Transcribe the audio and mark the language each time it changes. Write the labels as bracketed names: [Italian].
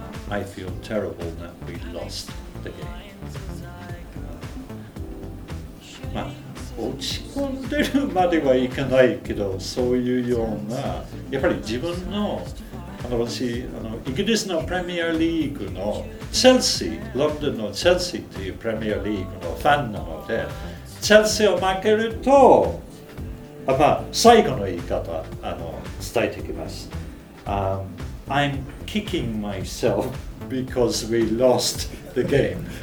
[English] I feel terrible that we lost the game. [Japanese] まあ、落ち込んでるまではいかないけど、そういうような、やっぱり自分の、私、イギリスのプレミアリーグのチェルシー、ロンドンのチェルシーというプレミアリーグのファンなので、チェルシーを負けると、まあ、最後の言い方伝えてきます。 [English] I'm kicking myself because we lost the game.